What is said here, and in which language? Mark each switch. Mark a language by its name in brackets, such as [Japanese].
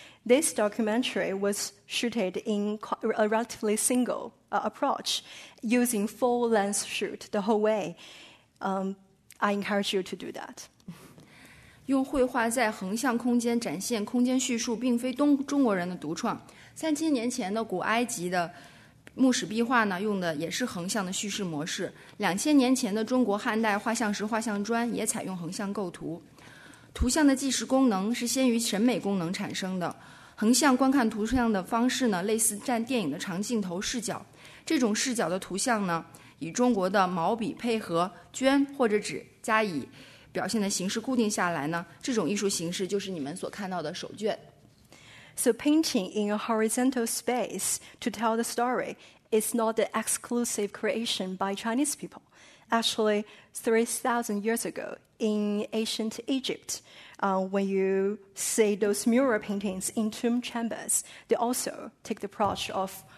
[English] This documentary was shooted in a relatively single approach, using full lens shoot the whole way. I encourage you to do that. [Chinese] 用绘画在横向空间展现空间叙述，并非中国人的独创。 3000年前的古埃及的木史壁画呢，用的也是横向的叙事模式。 2000年前的中国汉代画像石、画像砖也采用横向构图。图像的纪实功能是先于审美功能产生的。横向观看图像的方式呢，类似占电影的长镜头视角。这种视角的图像呢，以中国的毛笔配合绢或者纸加以表现的形式固定下来呢，这种艺术形式就是你们所看到的手卷。 [English] So painting in a horizontal space to tell the story is not an exclusive creation by Chinese people. Actually, 3,000 years ago in ancient Egypt, when you see those mural paintings in tomb chambers, they also take the approach of